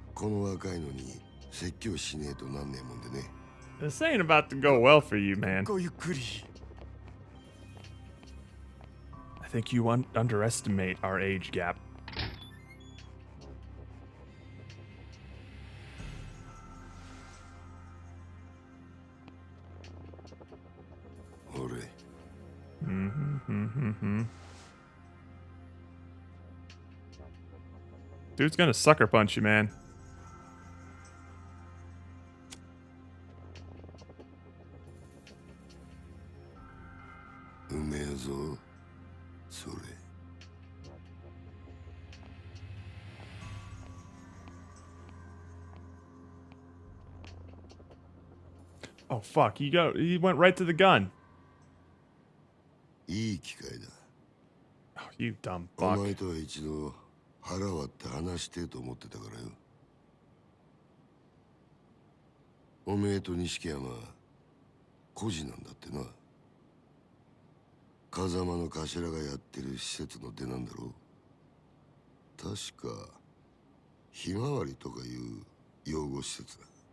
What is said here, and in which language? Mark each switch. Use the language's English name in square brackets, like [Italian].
[Japanese] 寝ぼけたことやってんじゃねえぞ。ああ。やっぱちょっとなまってんな。現役の頃はガキのしつけなんざ。一発で済んだ。社長さん。ちょっと外してもらえませんか?この若いのに説教しねえとなんねえもんでね。 [English] This ain't about to go well for you, man. I think you underestimate our age gap. Dude's gonna sucker punch you, man. Oh fuck, he went right to the gun. [Japanese] いい機会だ。Oh, [English] you dumb fuck. [Japanese] お前とは一度腹割って話してと思ってたからよ。おめえと錦山、孤児なんだってな。風間の頭がやってる施設の出なんだろう。確かひまわりとかいう養護施設だ。